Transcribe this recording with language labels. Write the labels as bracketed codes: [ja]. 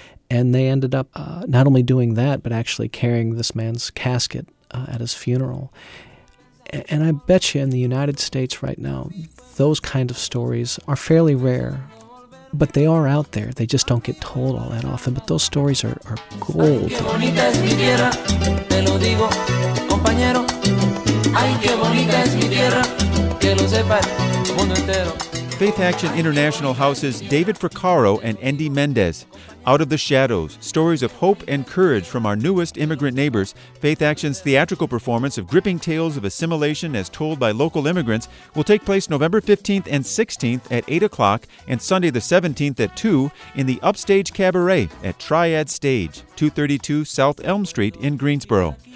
[en] And they ended up not only doing that, but actually carrying this man's casket at his funeral. And I bet you in the United States right now, those kind of stories are fairly rare. But they are out there. They just don't get told all that often. But those stories are gold. [es] Ay, qué bonita es mi tierra, te lo digo, compañero. Ay, qué bonita es mi tierra, que lo sepa el mundo entero. [en] Faith Action International houses David Fracaro and Andy Mendez. Out of the Shadows, stories of hope and courage from our newest immigrant neighbors, Faith Action's theatrical performance of gripping tales of assimilation as told by local immigrants will take place November 15th and 16th at 8 o'clock and Sunday the 17th at 2 in the Upstage Cabaret at Triad Stage, 232 South Elm Street in Greensboro.